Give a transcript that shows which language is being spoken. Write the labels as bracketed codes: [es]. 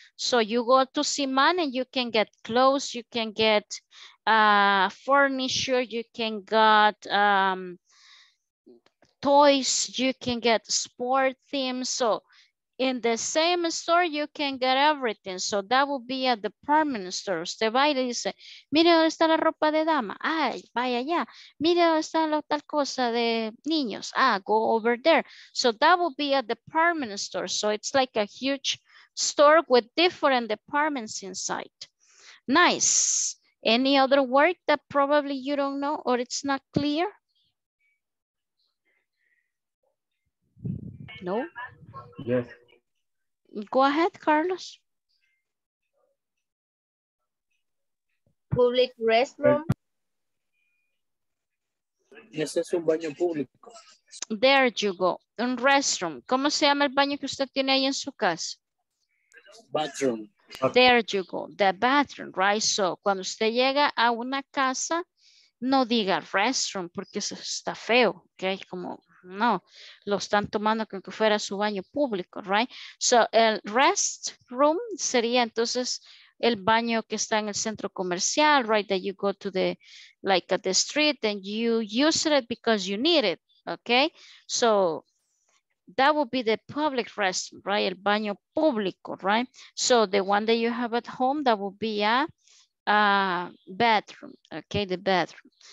[en] So you go to Simán and you can get clothes, you can get furniture, you can get toys, you can get sport themes. So in the same store you can get everything. So that would be at the department store. [es] Usted va y le dice, mire dónde está la ropa de dama. Ay, vaya allá. Mire dónde está la tal cosa de niños. [en] Ah, go over there. So that would be at the department store. So it's like a huge store with different departments inside. Nice. Any other word that probably you don't know or it's not clear? No? Yes. Go ahead, Carlos. Public restroom. [es] Ese es un baño público. [en] There you go. Un restroom. [es] ¿Cómo se llama el baño que usted tiene ahí en su casa? [en] Bathroom. There you go. The bathroom, right? [es] So, cuando usted llega a una casa, no diga restroom porque eso está feo, okay? Como no, lo están tomando como que fuera su baño público, right? So, el restroom sería entonces el baño que está en el centro comercial, right? [en] That you go to the, like at the street and you use it because you need it, okay? So, that would be the public restroom, right? El baño público, right? So, the one that you have at home, that would be a bathroom, okay, the bathroom.